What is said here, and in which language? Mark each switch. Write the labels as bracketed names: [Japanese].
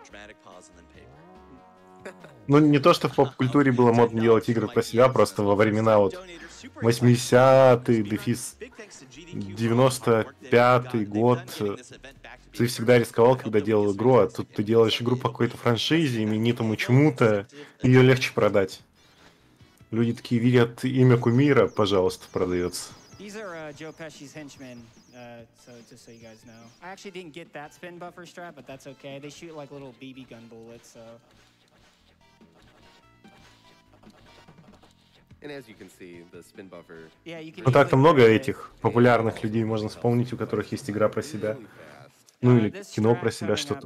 [English] Dramatic pause and then paper. [Russian] Ну, не то, что в поп-культуре было модно делать игры про себя, просто во времена вот 80-й, дефис 95-й год, ты всегда рисковал, когда делал игру, а тут ты делаешь игру по какой-то франшизе, именитому чему-то, ее легче продать. Люди такие видят имя кумира, пожалуйста, продается. [English] These are Joe Pesci's henchmen, so just so you guys know. I actually didn't get that spin buffer strap, but that's okay. They shoot like little BB gun bullets, so... [Russian] Ну так-то много этих популярных людей можно вспомнить, у которых есть игра про себя. Ну или кино про себя, что-то.